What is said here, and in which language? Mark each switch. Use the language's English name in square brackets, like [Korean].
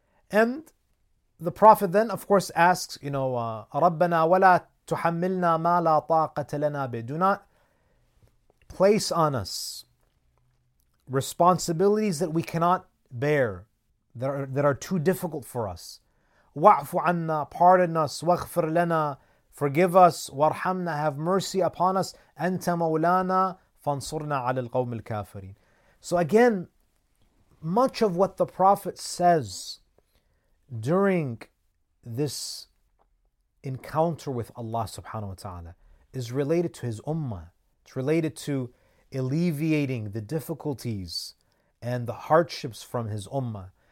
[English] And the Prophet then, of course, asks, you know, [Arabic] رَبَّنَا وَلَا تُحَمِّلْنَا مَا لَا طَاقَةَ لَنَا بِهِ. [English] Do not place on us responsibilities that we cannot bear, that are too difficult for us. [Arabic] وَعْفُ عَنَّا, [English] pardon us, [Arabic] وَغْفِرْ لَنَا, [English] forgive us, [Arabic] وَرْحَمْنَا, [English] have mercy upon us, [Arabic] أَنْتَ مَوْلَانَا فَانْصُرْنَا عَلَى الْقَوْمِ الْكَافِرِينَ. [English] So again, much of what the Prophet says during this encounter with Allah subhanahu wa ta'ala is related to his ummah. It's related to alleviating the difficulties and the hardships from his ummah.